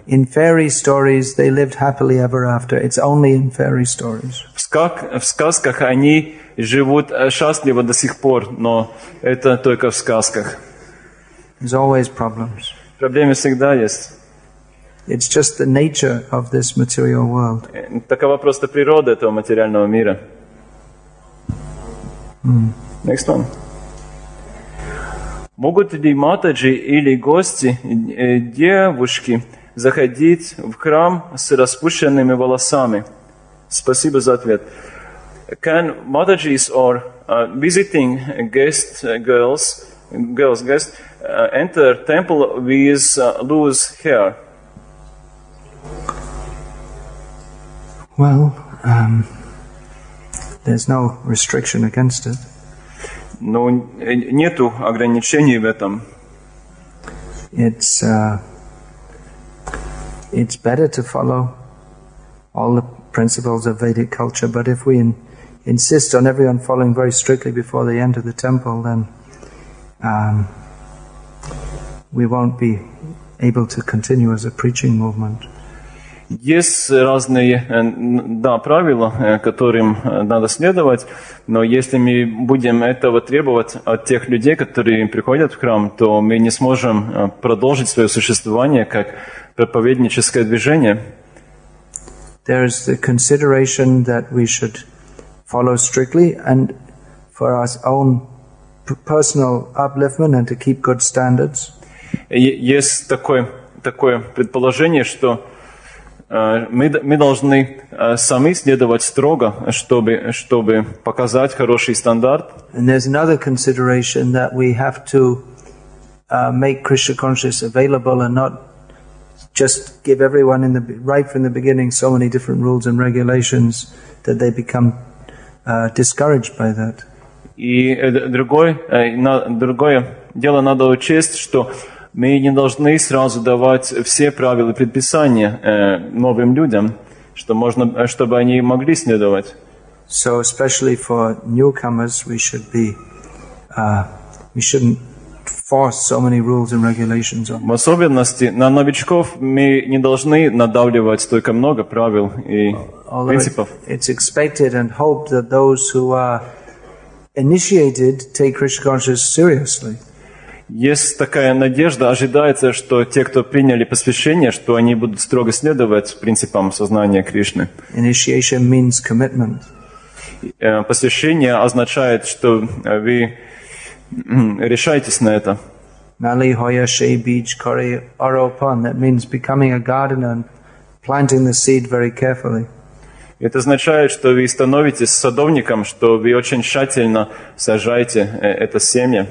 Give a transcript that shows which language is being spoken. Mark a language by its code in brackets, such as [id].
[en] In fairy stories, they lived happily ever after. It's only in fairy stories. [ru] В сказках они живут счастливо до сих пор, но это только в сказках. [en] There's always problems. [ru] Проблемы всегда есть. [en] It's just the nature of this material world. [ru] Такова просто природа этого материального мира. [en] Next one. [ru] Могут ли матаджи или гости, девушки, заходить в храм с распущенными волосами? Спасибо за ответ. [en] Can matajis or visiting guest girls enter temple with loose hair? Well, there's no restriction against it. [ru] Но нету ограничений в этом. [en] It's better to follow all the principles of Vedic culture, but if we insist on everyone following very strictly before they enter the temple, then we won't be able to continue as a preaching movement. [ru] Есть разные, да, правила, которым надо следовать, но если мы будем этого требовать от тех людей, которые приходят в храм, то мы не сможем продолжить свое существование как проповедническое движение. [en] There is the consideration that we should follow strictly and for our own personal upliftment and to keep good standards. [ru] Есть такое предположение, что мы должны сами следовать строго, чтобы показать хороший стандарт. [en] And there's another consideration that we have to make Krishna consciousness available and not just give everyone in the right from the beginning so many different rules and regulations that they become discouraged by that. [ru] И другое дело надо учесть, что мы не должны сразу давать все правила и предписания новым людям, чтобы они могли следовать. [en] So especially for newcomers, we shouldn't force so many rules and regulations on. [ru] В особенности на новичков мы не должны надавливать столько много правил и принципов. [en] It's expected and hoped that those who are initiated take Krishna consciousness seriously. [ru] Есть такая надежда, ожидается, что те, кто приняли посвящение, что они будут строго следовать принципам сознания Кришны. [en] Initiation means commitment. [ru] Посвящение означает, что вы решаетесь на это. [bn] Mali hoya she beach kori oropan. [en] That means becoming a gardener and planting the seed very carefully. [ru] Это означает, что вы становитесь садовником, что вы очень тщательно сажаете это семя.